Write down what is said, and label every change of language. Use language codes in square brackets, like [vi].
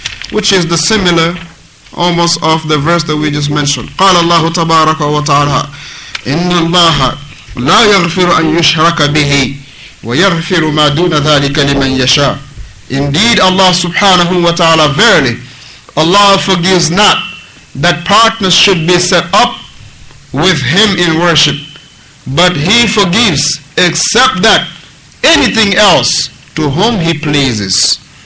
[en] Which is the similar, almost, of the verse that we just mentioned. [ar] قال الله تبارك وتعالى إن الله لا يغفر أن يشرك به ويغفر ما دون ذلك لمن يشاء. [en] Indeed, Allah subhanahu wa ta'ala, verily, Allah forgives not that partners should be set up with him in worship, but he forgives except that anything else to whom he pleases.